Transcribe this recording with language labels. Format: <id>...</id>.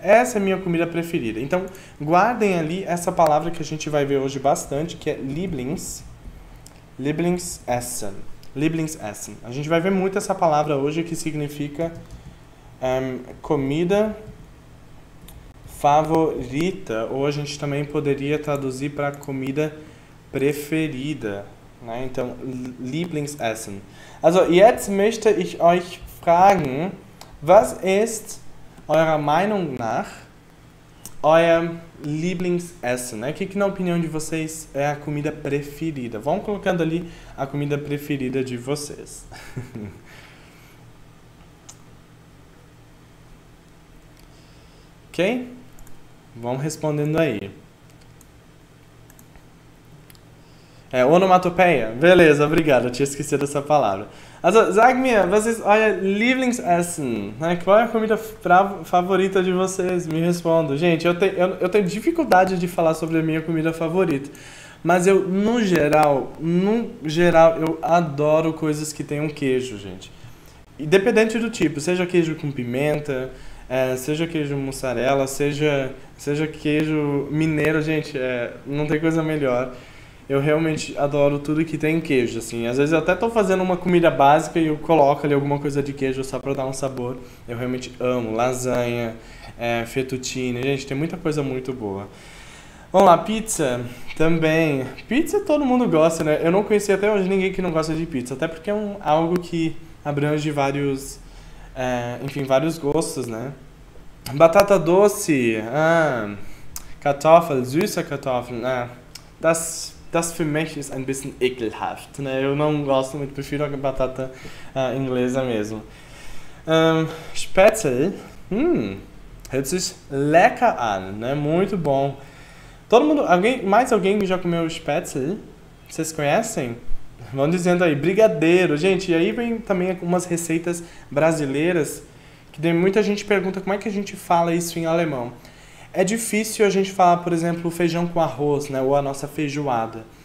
<pt>Essa é a minha comida preferida. Então, guardem ali essa palavra que a gente vai ver hoje bastante, que é Lieblingsessen. Lieblingsessen. A gente vai ver muito essa palavra hoje que significa comida favorita, ou a gente também poderia traduzir para comida preferida, né? Então, Lieblingsessen.</pt> <de>Also, jetzt möchte ich euch fragen, was ist eurer Meinung nach euer Lieblingsessen, né?</de> <pt>Que na opinião de vocês é a comida preferida? Vão colocando ali a comida preferida de vocês. Ok? Vão respondendo aí. É onomatopeia? Beleza, obrigado, eu tinha esquecido essa palavra.</pt> <de>Also, sag mir, was ist euer Lieblingsessen?</de> <pt>Né? Qual é a comida favorita de vocês? Me respondo. Gente, eu tenho dificuldade de falar sobre a minha comida favorita. Mas eu, no geral, eu adoro coisas que tenham queijo, gente. Independente do tipo, seja queijo com pimenta, seja queijo mussarela, seja queijo mineiro, gente, não tem coisa melhor. Eu realmente adoro tudo que tem queijo, assim. Às vezes eu até estou fazendo uma comida básica e eu coloco ali alguma coisa de queijo só para dar um sabor. Eu realmente amo lasanha, fettuccine. Gente, tem muita coisa muito boa. Vamos lá, pizza também. Pizza todo mundo gosta, né? Eu não conheci até hoje ninguém que não gosta de pizza. Até porque é algo que abrange vários, enfim, vários gostos, né? Batata doce.</pt> <de>Ah, Kartoffel, süße Kartoffel. Ah, das für mich ist ein bisschen ekelhaft, né?</de> <pt>Eu não gosto muito, prefiro a batata inglesa mesmo.</pt> <de>Spätzle, hört sich lecker an, né?</de> <pt>Muito bom. Todo mundo, mais alguém já comeu Spätzle? Vocês conhecem? Vão dizendo aí, brigadeiro. Gente, e aí vem também algumas receitas brasileiras que muita gente pergunta como é que a gente fala isso em alemão. É difícil a gente falar, por exemplo, feijão com arroz, né? Ou a nossa feijoada.</pt>